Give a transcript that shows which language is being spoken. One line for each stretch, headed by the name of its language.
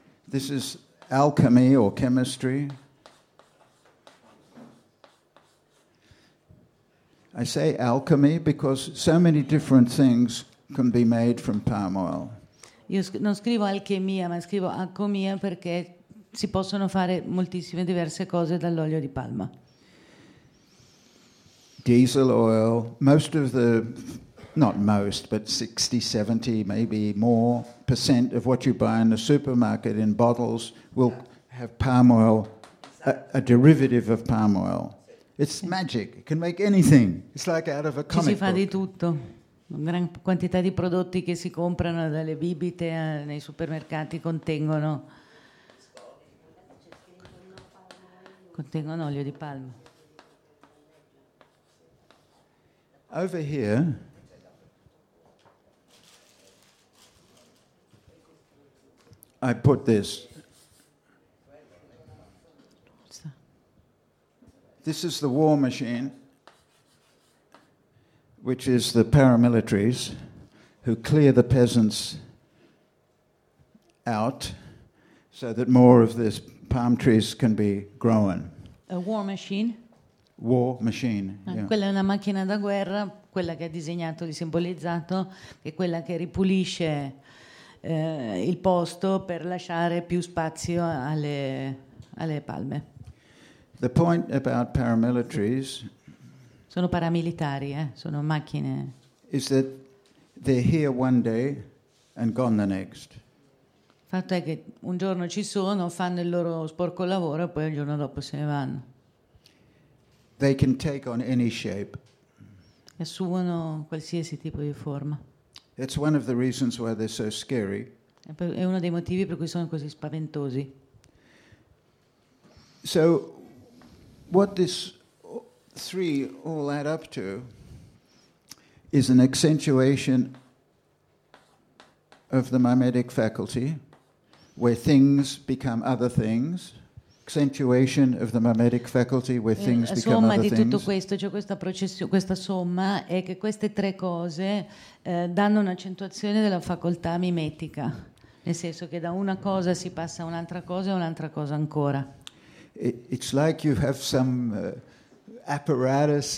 English: This is alchemy or chemistry. I say alchemy because so many different things can be made from palm oil.
Italian: Io non scrivo alchimia, ma scrivo alchimia perché si possono fare moltissime diverse cose dall'olio di palma.
English: Diesel oil, most of the, not most, but 60, 70, maybe more percent of what you buy in the supermarket in bottles will have palm oil, a derivative of palm oil. It's magic. It can make anything. It's like out of a comic book.
Italian: Ci si fa di tutto. Una gran quantità di prodotti che si comprano dalle bibite nei supermercati contengono olio di palma.
English: Over here. I put this. This is the war machine, which is the paramilitaries who clear the peasants out so that more of this palm trees can be grown. A war machine? War machine, yeah.
Italian: Quella è una macchina da guerra, quella che ha disegnato, di simbolizzato, è quella che ripulisce il posto per lasciare più spazio alle palme.
English: The point about paramilitaries.
Italian: Sono paramilitari, sono macchine.
English: Is that they're here one day and gone the next.
Italian: Fatto è che un giorno ci sono, fanno il loro sporco lavoro e poi il giorno dopo se ne vanno.
English: They can take on any shape.
Italian: Assumono qualsiasi tipo di forma.
English: That's one of the reasons why they're so scary.
Italian: È uno dei motivi per cui sono così spaventosi.
English: So what this three all add up to is an accentuation of the mimetic faculty, where things become other things. Accentuation of the mimetic faculty, where things become other things.
Italian: La somma di tutto questo, cioè questa somma, è che queste tre cose danno un'accentuazione della facoltà mimetica, nel senso che da una cosa si passa a un'altra cosa e un'altra cosa ancora.
English: It's like you have some apparatus.